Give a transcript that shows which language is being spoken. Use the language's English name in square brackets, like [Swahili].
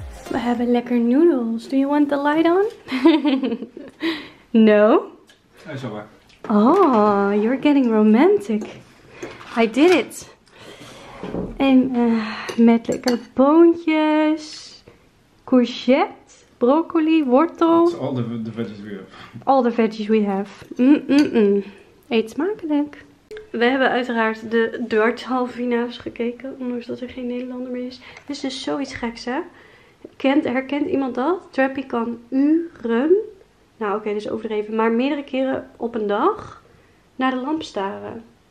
[Dutch] We hebben lekker noodles. [English] Do you want the light on? No? [Dutch] Hij is [English] over. Oh, you're getting romantic. I did it. [Dutch] En met lekker boontjes, courgette, broccoli, wortel. [English] That's all the veggies we have. All the veggies we have. Mm-mm-mm. [Dutch] Eet smakelijk. We hebben uiteraard de darthalffinale gekeken, ondanks dat er geen Nederlander meer is. Dit is dus zoiets geks, hè? Herkent iemand dat? Trappie kan uren, nou oké, dat is overdreven, maar meerdere keren op een dag naar de lamp staren.